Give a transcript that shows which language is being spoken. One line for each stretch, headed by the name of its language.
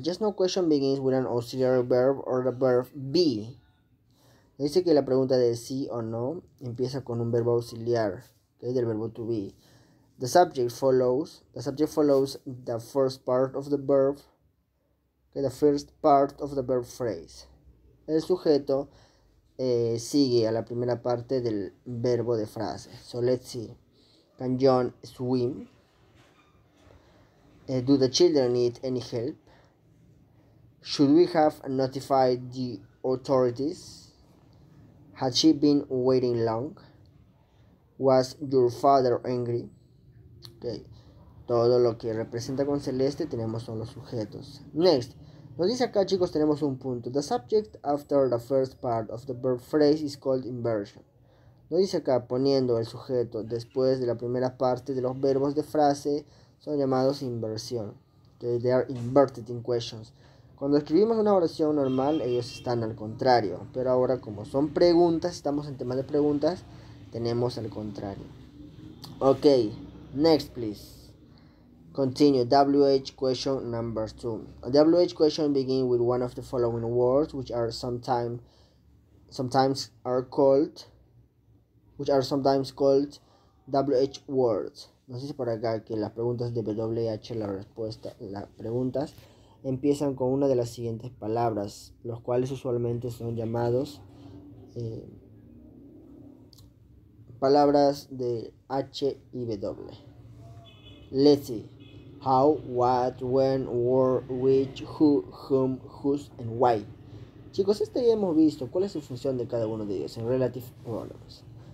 English: Yes, no question begins with an auxiliary verb or the verb be.
Spanish: Dice que la pregunta de sí o no empieza con un verbo auxiliar, que es del verbo to be.
English: The subject follows the first part of the verb, que the first part of the verb phrase.
Spanish: El sujeto sigue a la primera parte del verbo de frase.
English: So let's see. Can John swim? Do the children need any help? Should we have notified the authorities? Had she been waiting long? Was your father angry? Okay.
Spanish: Todo lo que representa con celeste tenemos son los sujetos. Next. Nos dice acá, chicos, tenemos un punto.
English: The subject after the first part of the verb phrase is called inversion.
Spanish: Nos dice acá, poniendo el sujeto después de la primera parte de los verbos de frase, son llamados inversión. Okay.
English: They are inverted in questions.
Spanish: Cuando escribimos una oración normal, ellos están al contrario. Pero ahora, como son preguntas, estamos en tema de preguntas, tenemos al contrario. Ok,
English: next please. Continue. WH question number two. A WH question begin with one of the following words, which are sometimes are called, which are sometimes called WH words.
Spanish: Nos dice por acá que las preguntas de WH, la respuesta, las preguntas empiezan con una de las siguientes palabras, los cuales usualmente son llamados palabras de H y W.
English: Let's see. How, what, when, where, which, who, whom, whose, and why.
Spanish: Chicos, este ya hemos visto cuál es su función de cada uno de ellos en relative pronouns.